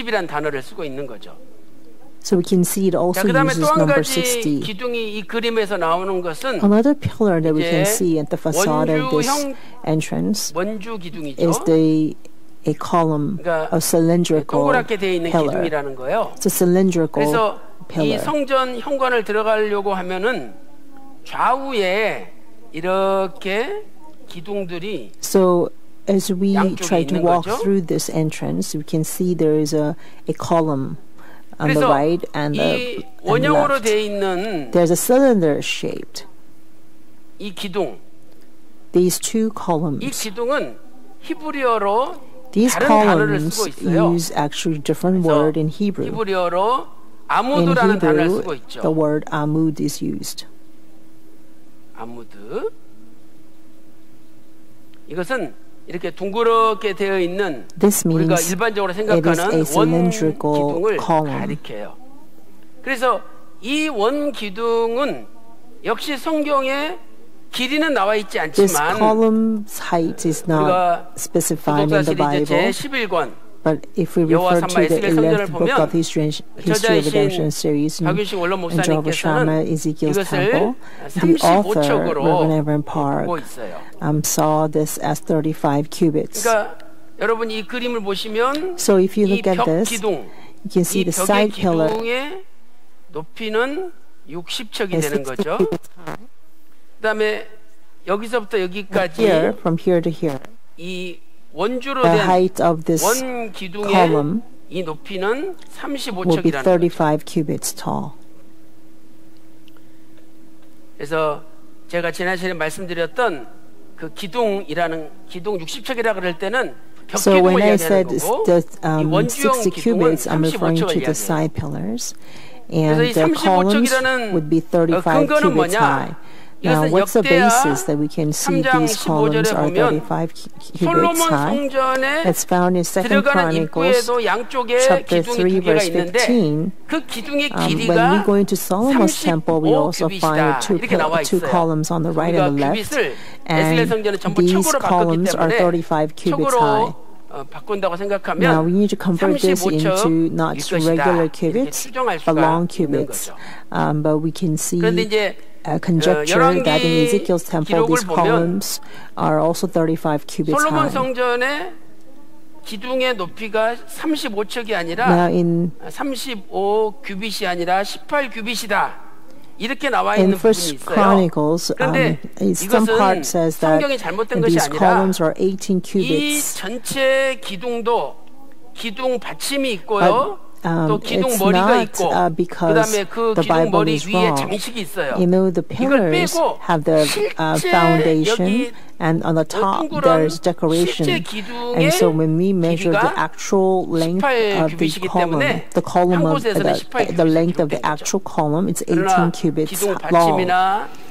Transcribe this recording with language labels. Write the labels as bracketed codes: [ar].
[ko] 역시 60이라는 단어를 쓰고 있는 거죠. [en] So we can see it also uses number 60. [ko] 기둥이 이 그림에서 나오는 것은 [en] another pillar that we can see at the facade of this entrance is a column, [ko] 그러니까 [en] a cylindrical pillar. It's a cylindrical pillar. [ko] 이 성전 현관을 들어가려고 하면은 좌우에 이렇게 [en] So as we try to walk [ko] 거죠? [en] through this entrance, we can see there is a column on the right and the left. There's a cylinder shaped. [ko] 이 기둥. [en] These two columns. [ko] 이 기둥은 히브리어로 [en] These columns use actually different word in Hebrew. [ko] 히브리어로 아무드라는 단어를 쓰고 있죠. [en] The word amud is used. [ko] 아무드. 이것은 이렇게 둥그렇게 되어 있는 우리가 일반적으로 생각하는 원 기둥을 가리켜요. 그래서 이 원 기둥은 역시 성경에 길이는 나와 있지 않지만 [en] This column's height is not specified in the Bible. But if we refer to the 11th book of History of Redemption series in Jehovah Shammah, Ezekiel's Temple, the author, Reverend Park, saw this as 35 cubits. [ko] 그러니까, 여러분, 이 그림을 보시면, [en] so if you look at this, you can see the side pillar. [ko] 높이는 60척이 되는 거죠. 그다음에 여기서부터 여기까지 [en] here, from here to here. [ko] 이 원주로 된 [en] height of this [ko] 원 기둥의 [en] column [ko] 이 높이는 35척이라는 [en] will be 35 cubits tall. [ko] 그래서 제가 지난 시간에 말씀드렸던 그 기둥이라는 기둥 60척이라 그럴 때는 벽기둥을 얘기하는 거고 이 원주형 기둥은 35척을 얘기하는 그래서 35척이라는 그 근거는 뭐냐 [en] high. Now, what's the basis that we can see these columns are 35 cubits high? It's found in 2 Chronicles, chapter 3, verse 15. [ko] 있는데, [en] when we go into Solomon's temple, we also find two columns on the right and the left. And these columns are 35 cubits high. Now, we need to convert this into not just regular cubits, but long cubits. But we can see a conjecture that in Ezekiel's temple these columns are also 35 cubits high. [ko] 솔로몬 성전의 기둥의 높이가 35척이 아니라 35 규빗이 아니라 18 규빗이다. 이렇게 나와 있는 부분이 있어요. [en] In First Chronicles, some part says that these columns are 18 cubits. [ko] 이 전체 기둥도 기둥 받침이 있고요. [en] It's not because the Bible is wrong. You know, the pillars have the foundation, and on the top there's decoration. And so when we measure the actual length of the column, the length of the actual column, it's 18 cubits long.